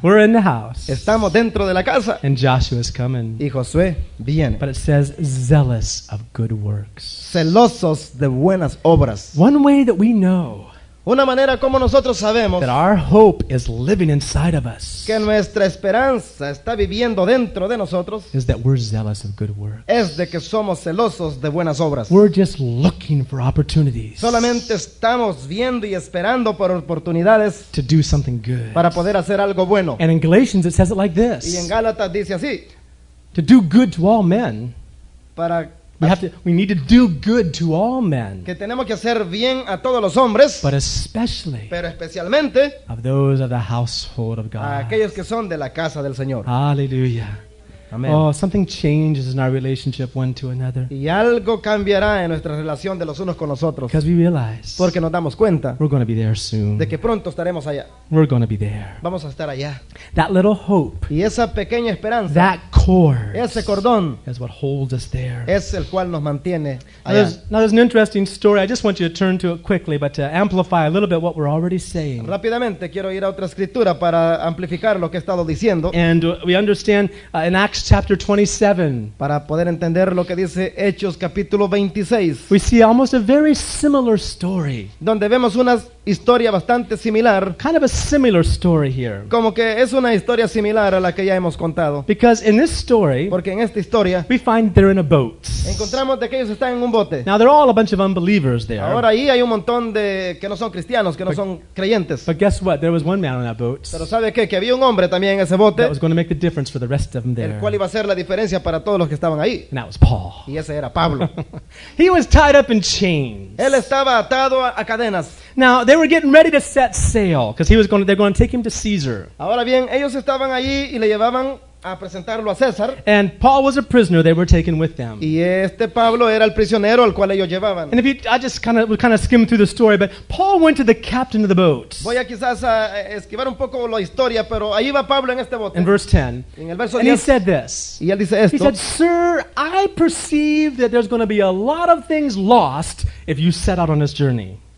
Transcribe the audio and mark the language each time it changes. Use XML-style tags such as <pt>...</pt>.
<en>We're in the house.</en> <es>Estamos dentro de la casa.</es> <en>And Joshua is coming.</en> <es>Y Josué viene.</es> <en>But it says zealous of good works.</en> <es>Celosos de buenas obras.</es> <en>One way that we know.</en> <es>Una manera como nosotros sabemos.</es> <en>That our hope is living inside of us.</en> <es>Que nuestra esperanza está viviendo dentro de nosotros.</es> <en>Is that we're zealous of good works.</en> <es>Es de que somos celosos de buenas obras.</es> <en>We're just looking for opportunities.</en> <es>Solamente estamos viendo y esperando por oportunidades.</es> <en>To do something good.</en> <es>Para poder hacer algo bueno.</es> <en>And in Galatians it says it like this.</en> <es>Y en Gálatas dice así.</es> <en>To do good to all men.</en> <es>Para</es> <en>We need to do good to all men.</en> <es>Que tenemos que hacer bien a todos los hombres.</es> <en>But especially.</en> <es>Pero especialmente.</es> <en>Of those of the household of God.</en> <es>A aquellos que son de la casa del Señor. Hallelujah. Amen.</es> <en>Oh, something changes in our relationship one to another.</en> <es>Y algo cambiará en nuestra relación de los unos con los otros.</es> <en>Because we realize.</en> <es>Porque nos damos cuenta.</es> <en>We're going to be there soon.</en> <es>De que pronto estaremos allá.</es> <en>We're going to be there.</en> <es>Vamos a estar allá.</es> <en>That little hope.</en> <es>Y esa pequeña esperanza.</es> <en>That cord.</en> <es>Ese cordón.</es> <en>Is what holds us there.</en> <es>Es el cual nos mantiene allá.</es> <en>Now there's an interesting story. I just want you to turn to it quickly, but to amplify a little bit what we're already saying.</en> <es>Rápidamente quiero ir a otra escritura para amplificar lo que he estado diciendo.</es> <en>And we understand in Acts chapter 27.</en> <es>Para poder entender lo que dice Hechos capítulo 26.</es> <en>We see almost a very similar story.</en> <es>Donde vemos una historia bastante similar.</es> <en>Kind of a similar story here.</en> <es>Como que es una historia similar a la que ya hemos contado.</es> <en>Because in this story,</en> <es>porque en esta historia,</es> <en>we find they're in a boat.</en> <es>Encontramos de que ellos están en un bote.</es> <en>Now they're all a bunch of unbelievers there.</en> <es>Ahora ahí hay un montón de que no son cristianos, que no son creyentes.</es> <en>But guess what? There was one man on that boat.</en> <es>Pero sabe qué? Que había un hombre también en ese bote.</es> <en>That was going to make the difference for the rest of them there.</en> <es>El cual iba a ser la diferencia para todos los que estaban ahí.</es> <en>And that was Paul.</en> <es>Y ese era Pablo.</es> <en>He was tied up in chains.</en> <es>Él estaba atado a cadenas.</es> <en>Now they were getting ready to set sail because they're going to take him to Caesar.</en> <es>Ahora bien, ellos estaban ahí y le llevaban a presentarlo a César.</es> <en>And Paul was a prisoner they were taking with them.</en> <es>Y este Pablo era el prisionero al cual ellos llevaban.</es> <en>And I just kind of skimmed through the story, but Paul went to the captain of the boat.</en> <es>Voy a quizás a esquivar un poco la historia, pero ahí va Pablo en este bote.</es> <en>In verse 10.</en> <es>En el verso 10.</es> <en>And he said this.</en> <es>Y él dice esto.</es> <en>He said, "Sir, I perceive that there's going to be a lot of things lost if you set out on this journey."</en>